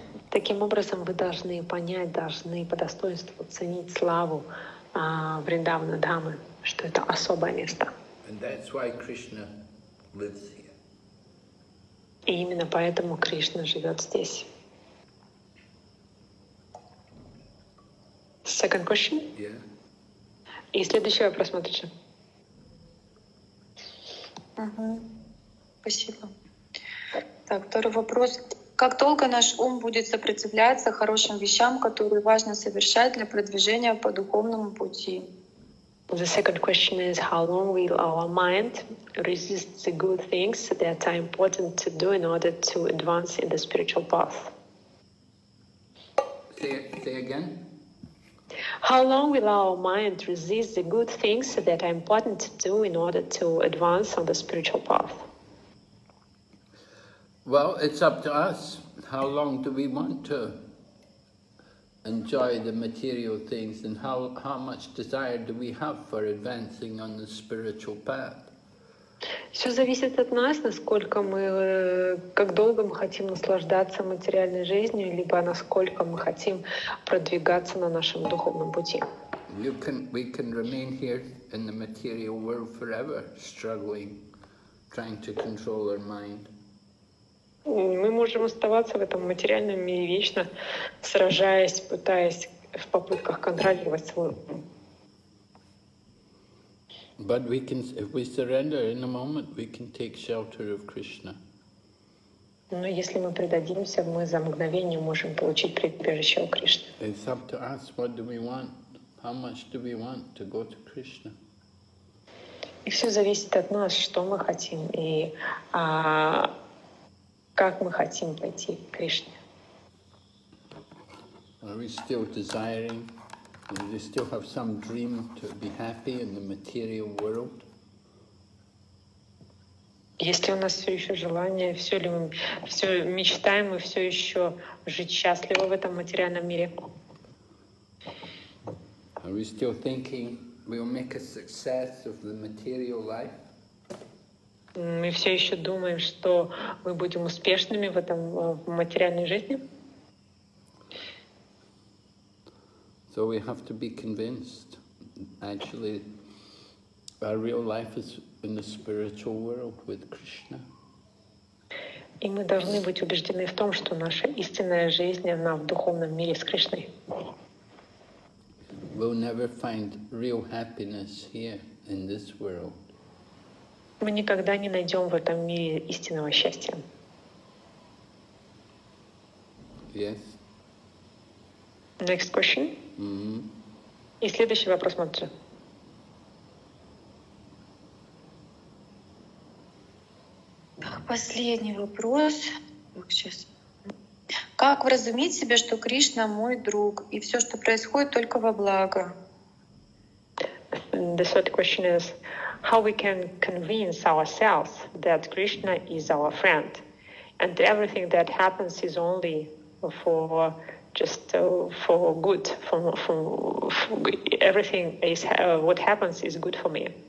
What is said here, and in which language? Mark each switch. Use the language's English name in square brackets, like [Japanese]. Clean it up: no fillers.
[Russian] Таким образом, вы должны понять, должны по достоинству ценить славу Вриндавана Дхамы, что это особое место. [English] And that's why Krishna lives here. [Russian] И именно поэтому Кришна живет здесь. [English] Second question? Yeah. [Russian] И следующий вопрос, Матриша. Спасибо. Так, второй вопрос. Как долго наш ум будет сопротивляться хорошим вещам, которые важно совершать для продвижения по духовному пути? [English] The second question is, how long will our mind resist the good things that are important to do in order to advance in the spiritual path? Say again. How long will our mind resist the good things that are important to do in order to advance on the spiritual path? Well, it's up to us. How long do we want to enjoy the material things, and how much desire do we have for advancing on the spiritual path? [Russian] Все зависит от нас, насколько мы, как долго мы хотим наслаждаться материальной жизнью, либо насколько мы хотим продвигаться на нашем духовном пути. [English] We can remain here in the material world forever, struggling, trying to control our mind. [Russian] Мы можем оставаться в этом материальном мире вечно, сражаясь, пытаясь в попытках контролировать свой ум. [English] But we can, if we surrender in a moment, we can take shelter of Krishna. [Russian] Но если мы предадимся, мы за мгновение можем получить прибежище у Кришны. [English] It's up to us. What do we want? How much do we want to go to Krishna? [Russian] И все зависит от нас, что мы хотим и как мы хотим пойти к Кришне. [English] Are we still desiring? Do you still have some dream to be happy in the material world? [Russian] Если у нас все еще желание, все ли мы все мечтаем, мы все еще жить счастливо в этом материальном мире? [English] Are we still thinking we'll make a success of the material life? [Russian] Мы все еще думаем, что мы будем успешными в этом в материальной жизни? [English] So we have to be convinced, actually, our real life is in the spiritual world with Krishna. [Russian] И мы должны быть убеждены в том, что наша истинная жизнь, она в духовном мире с Кришной. [English] We'll never find real happiness here in this world. [Russian] Мы никогда не найдем в этом мире истинного счастья. [English] Yes. Next question. Mm-hmm. [Russian] И следующий вопрос, Матри. Последний вопрос. Сейчас. Как вразумить себя, что Кришна мой друг, и все, что происходит, только во благо? [English] The third question is, how we can convince ourselves that Krishna is our friend, and everything that happens is only for just for good, for everything is what happens is good for me.